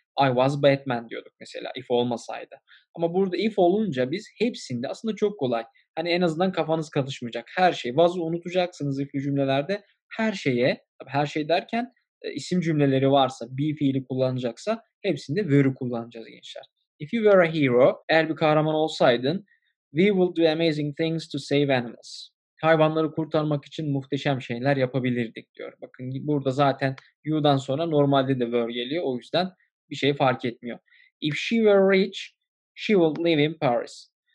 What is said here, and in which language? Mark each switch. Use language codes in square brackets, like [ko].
[en] I was Batman [tr] diyorduk mesela if olmasaydı. Ama burada if olunca biz hepsinde aslında çok kolay. Hani en azından kafanız karışmayacak. Her şey. Was'ı unutacaksınız if'li cümlelerde. Her şeye, her şey derken isim cümleleri varsa, be fiili kullanacaksa hepsinde were'ı kullanacağız gençler. [en] If you were a hero, [tr] eğer bir kahraman olsaydın, [en] we would do amazing things to save animals. [tr] Hayvanları kurtarmak için muhteşem şeyler yapabilirdik diyor. Bakın burada zaten you'dan sonra normalde de were geliyor. O yüzden bir şey fark etmiyor. [en] If she were rich, she would live in Paris.